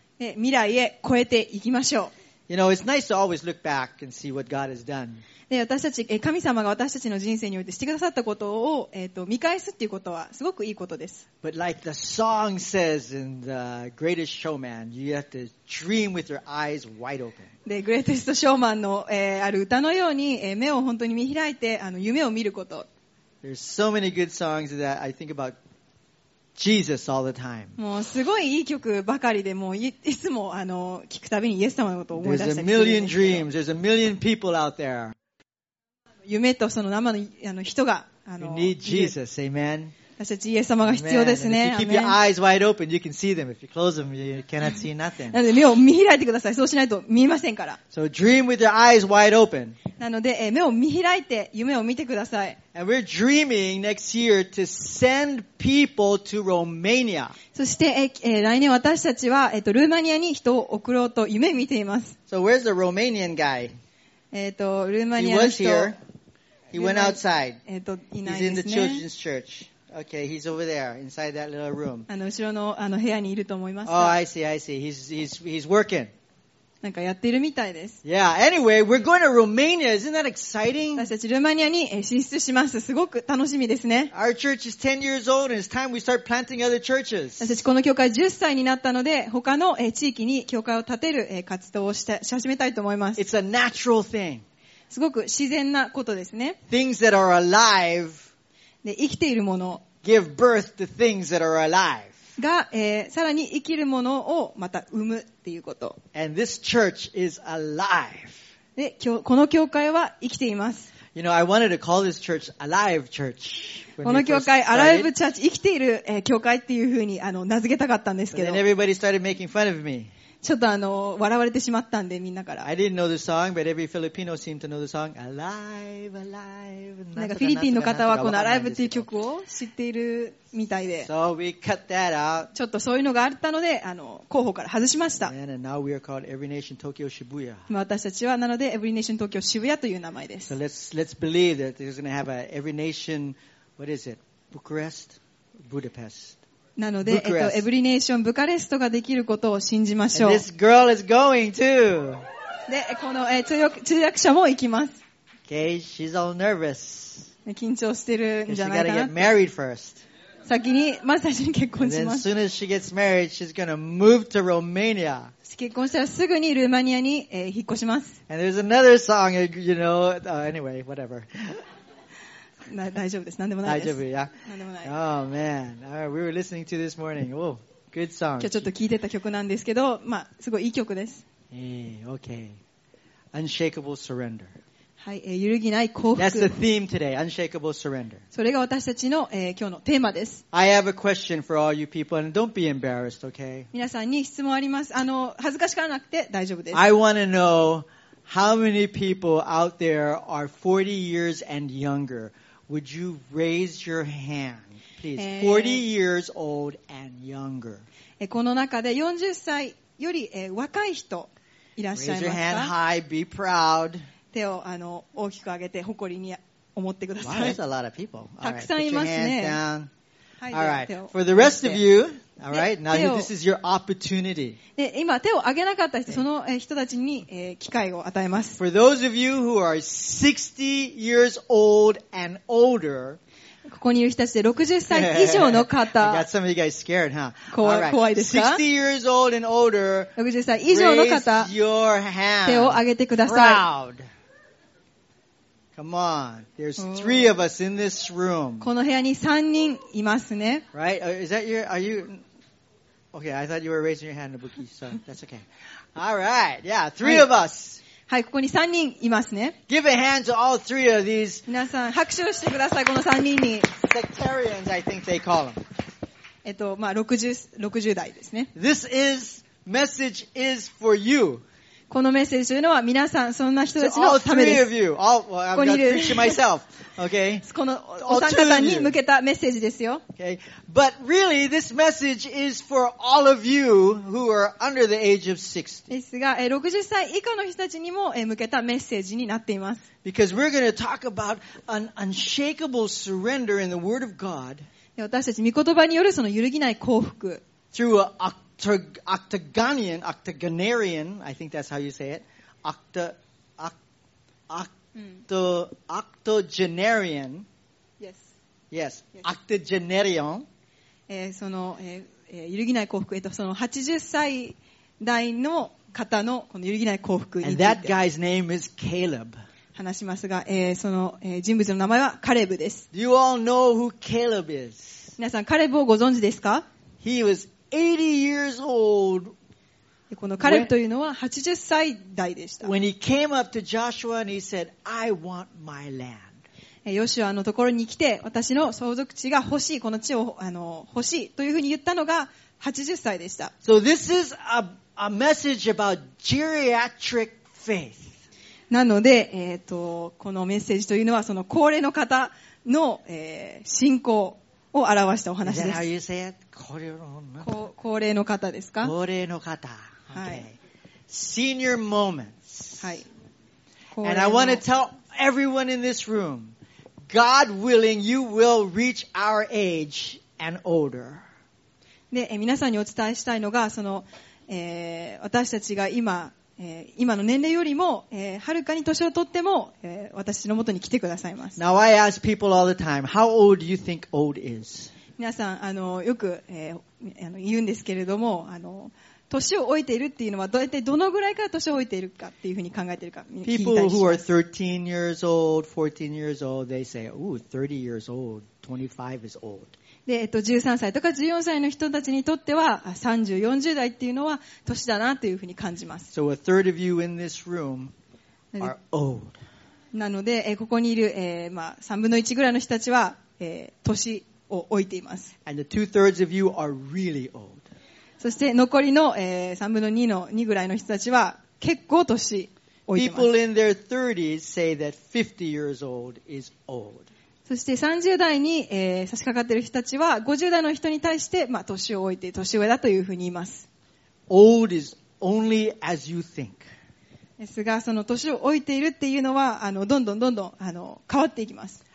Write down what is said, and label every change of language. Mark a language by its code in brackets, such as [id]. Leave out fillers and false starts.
[ja] 未来へ超えていきましょう。 [en] You know, it's nice to always look back and see what God has done. [ja] で、私たち、神様が私たちの人生においてしてくださったことを、見返すっていうことはすごくいいことです。 [en] But like the song says in the Greatest Showman, you have to dream with your eyes wide open. [ja] で、Greatest Showman の、ある歌のように、目を本当に見開いて、夢を見ること。 [en] There's so many good songs that I think aboutJesus all the time. [ja] もうすごいいい曲ばかりで、もういつも聞くたびにイエス様のことを思い出したり。 [en] There's a million dreams. There's a million people out there. [ja] 夢とその生の人が。 [en] You need Jesus, amen. [ja] 私たちイエス様が必要ですね。 [en] If you keep your eyes wide open, you can see them. If you close them, you cannot see nothing. [ja] なので目を見開いてください。そうしないと見えませんから。 [en] So dream with your eyes wide open. [ja] なので目を見開いて夢を見てください。 [en] And we're dreaming next year to send people to Romania. [ja] そして、来年私たちは、ルーマニアに人を送ろうと夢見ています。 [en] So where's the Romanian guy? [ja] ルーマニアの人。 [en] He was here. He went outside. [ja] いないですね。 [en] He's in the children's church. Okay, he's over there inside that little room. [ja] 後ろの部屋にいると思います。 [en] Oh, I see, I see. He's working. [ja] なんかやっているみたいです。 [en] Yeah, anyway, we're going to Romania. Isn't that exciting? [ja] 私たちルーマニアに進出します。すごく楽しみですね。 [en] Our church is 10 years old and it's time we start planting other churches. [ja] 私たちこの教会10歳になったので、他の地域に教会を建てる活動をし始めたいと思います。 [en] It's a natural thing. [ja] すごく自然なことですね。 [en] Things that are alive. [ja] で、生きているもの。 [en] Give birth to things that are alive. [ja] が、さらに生きるものをまた生むっていうこと。 [en] And this church is alive. [ja] で、この教会は生きています。 [en] You know, I wanted to call this church Alive Church. [ja] この教会、Alive Church、生きている、教会っていうふうに、名付けたかったんですけど。 [en] But then everybody started making fun of me. [ja] ちょっと笑われてしまったんで、みんなから。 [en] I didn't know the song, but every Filipino seemed to know the song Alive, Alive. [ja] なんかフィリピンの方はこの Alive っていう曲を知っているみたいで。 [en] So we cut that out. [ja] ちょっとそういうのがあったので、候補から外しました。 [en] And now we are called Every Nation Tokyo Shibuya. [ja] 私たちは、なので Every Nation Tokyo Shibuya という名前です。 [en] So let's believe that there's going to have a Every Nation, what is it? Bucharest? Budapest. [ja] なので、エブリネーションブカレストができることを信じましょう。 [en] And this girl is going too. [ja] で、この、通訳者も行きます。 [en] Okay, she's all nervous. [ja] 緊張してるんじゃないかな。 [en] She's gotta get married first. [ja] 先に、まず最初に結婚します。 [en] And then, soon as she gets married, she's gonna move to Romania. [ja] 結婚したらすぐにルーマニアに、引っ越します。 And there's another song, you know, anyway, whatever. 大丈夫です。何でもないです。大丈夫、いや。何でもない。 [en] Oh man, right, we were listening to this morning. Oh, good song. [ja] 今日ちょっと聞いてた曲なんですけど、まあすごいいい曲です。 [en] Okay, unshakable surrender. [ja] はい、揺るぎない降伏。 [en] That's the theme today, unshakable surrender. [ja] それが私たちの、今日のテーマです。 [en] I have a question for all you people, and don't be embarrassed, okay? [ja] 皆さんに質問あります。恥ずかしがらなくて大丈夫です。 [en] I want to know how many people out there are 40 years and younger. Would you raise your hand, please? 40 years old and younger. [ja] この中で40歳より若い人いらっしゃいますか? [en] Raise your hand high, be proud. [ja] 手を大きく上げて誇りに思ってください。 [en] Wow, that's a lot of people. [ja] たくさんいますね。 [en] All right, put your hands down. All right, for the rest of you, All right? Now, this is your opportunity. [ja] で、今手を挙げなかった人、その人たちに、機会を与えます。 [en] For those of you who are 60 years old and older, [ja] ここにいる人たちで60歳以上の方。 [en] Got some of you guys scared, huh? [ja] 怖い、 [en] All right. [ja] 怖いですか [en] ?60 years old and older, [ja] 60歳以上の方、 [en] raise your hand. [ja] 手を挙げてください。 [en] Proud. Come on. There's three of us in this room. [ja] この部屋に3人いますね。 [en] Right? Is that your, are you, okay, I thought you were raising your hand, Nobuki, so that's okay. Alright, yeah, three of us. [ja] はい、ここに3人いますね。 [en] Give a hand to all three of these. [ja] 皆さん、拍手をしてください、この3人に。 [en] Sectarians, I think they call them. [ja] まあ、60代ですね。 [en] This is, message is for you. [ja] このメッセージというのは皆さん、そんな人たちのためです。ここにいる。このお三方に向けたメッセージですよ。 [en] Okay. But really, this message is for all of you who are under the age of 60. [ja] ですが、60歳以下の人たちにも向けたメッセージになっています。 [en] Because we're going to talk about an unshakable surrender in the Word of God. [ja] 私たち、御言葉によるその揺るぎない降伏。 [en] Through aOctagonarian, I think that's how you say it. Octogenarian. Yes. Yes. Octogenarian. [ja] その、揺るぎない幸福、その80歳代の方のこの揺るぎない幸福について。 [en] And that guy's name is Caleb. [ja] 話しますが、その、人物の名前はカレブです。 [en] Do you all know who Caleb is? [ja] 皆さん、カレブをご存知ですか? [en] He was 80 years old. [ja] このカレブというのは80歳代でした。 [en] When he came up to Joshua and he said, I want my land. [ja] ヨシュアのところに来て、私の相続地が欲しい、この地を欲しいというふうに言ったのが80歳でした。 [en] So this is a message about geriatric faith. [ja] なので、このメッセージというのはその高齢の方の、信仰。を表したお話です。 [en] Is that how you say it? [ja] 高齢の方ですか？高齢の方。 [en] Okay. [ja] はい。 [en] Senior moments. [ja] はい。 [en] And I want to tell everyone in this room, God willing, you will reach our age and older. [ja] で、皆さんにお伝えしたいのが、その、私たちが今の年齢よりも、はるかに年を取っても、私の元に来てくださいます。 [en] Now I ask people all the time, how old do you think old is? [ja] 皆さん、よく、言うんですけれども、年を老いているっていうのは、大体どのぐらいから年を老いているかっていうふうに考えているか、皆さん。 [en] People who are 13 years old, 14 years old, they say, ooh, 30 years old, 25 is old. [ja] で、13歳とか14歳の人たちにとっては、30、40代っていうのは年だなというふうに感じます。 [en] So a third of you in this room are old. [ja] なので、ここにいる、まあ、3分の1ぐらいの人たちは、年を老いています。 [en] And the two-thirds of you are really old. [ja] そして残りの、3分の2の2ぐらいの人たちは結構年老いています。 [en] People in their 30s say that 50 years old is old. [ja] そして30代に、差し掛かっている人たちは50代の人に対して、まあ、年を置いて年上だというふうに言います。 [en] Old is only as you think. [ja] ですが、その年を置いているっていうのは、どんどんどんどん、変わっていきます。